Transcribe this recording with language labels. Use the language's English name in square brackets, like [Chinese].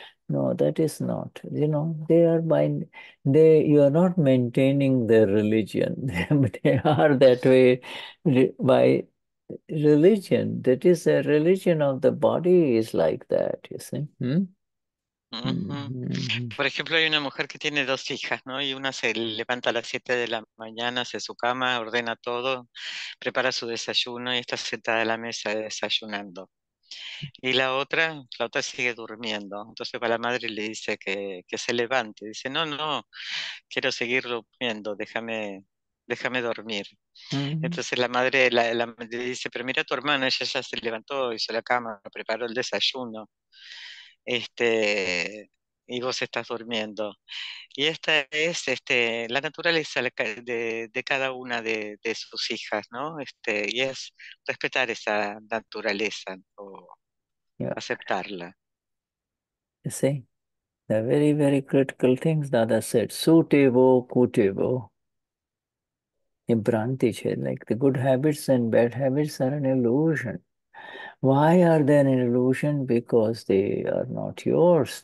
[English] No, that is not. You know, you are not maintaining their religion. They are that way by religion. That is a religion of the body is like that, you see. Hmm? Uh-huh. [Spanish] Por ejemplo, hay una mujer que tiene dos hijas, ¿no? Y una se levanta a las 7 de la mañana, hace su cama, ordena todo, prepara su desayuno y está sentada a la mesa desayunando. Y la otra sigue durmiendo. Entonces va la madre y le dice que se levante. Dice, no, no, quiero seguir durmiendo, déjame dormir. Uh-huh. Entonces la madre le dice, pero mira a tu hermana, ella ya se levantó, hizo la cama, preparó el desayuno. Este, y vos estás durmiendo. Y esta es la naturaleza de cada una de sus hijas, ¿no? Este, y es respetar esa naturaleza o yeah. Aceptarla. [English] You see, the very, very critical things Dada said, sutevo, kutevo, imprantiche, like the good habits and bad habits are an illusion. Why are they an illusion? Because they are not yours.